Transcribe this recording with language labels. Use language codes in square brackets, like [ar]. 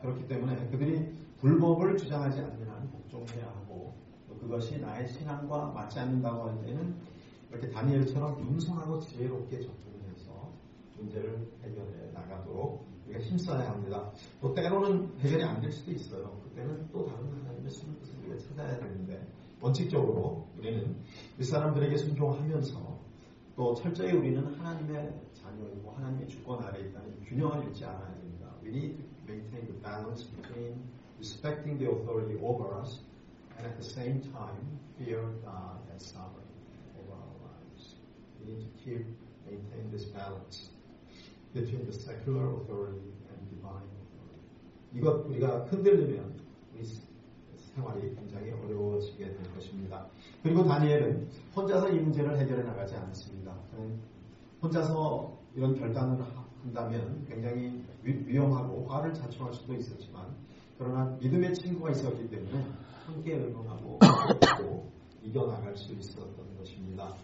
[ko] 그렇기 때문에 그들이 불법을 주장하지 않는 한 복종해야 하고, 그것이 나의 신앙과 맞지 않는다고 할 때는 이렇게 다니엘처럼 융성하고 지혜롭게 접근해서 문제를 해결해 나가도록 우리가 힘써야 합니다. 또 때로는 해결이 안 될 수도 있어요. 그때는 또 다른 하나님의 뜻을 찾아야 되는데, 원칙적으로 우리는 이 사람들에게 순종하면서 또 철저히 우리는 하나님의 자녀이고 하나님의 주권 아래에 있다는 균형을 잃지 않아야 됩니다. [en] We need to maintain the balance between respecting the authority over us and at the same time fear God as sovereign over our lives. We need to keep maintain this balance between the secular authority and divine authority. [ko] 이것 우리가 흔들리면 우리 생활이 굉장히 어려워지게 될 것입니다. 그리고 다니엘은 혼자서 이 문제를 해결해 나가지 않습니다. 혼자서 이런 결단을 한다면 굉장히 위험하고 화를 자초할 수도 있었지만, 그러나 믿음의 친구가 있었기 때문에 함께 응원하고 이겨나갈 수 있었던 것입니다.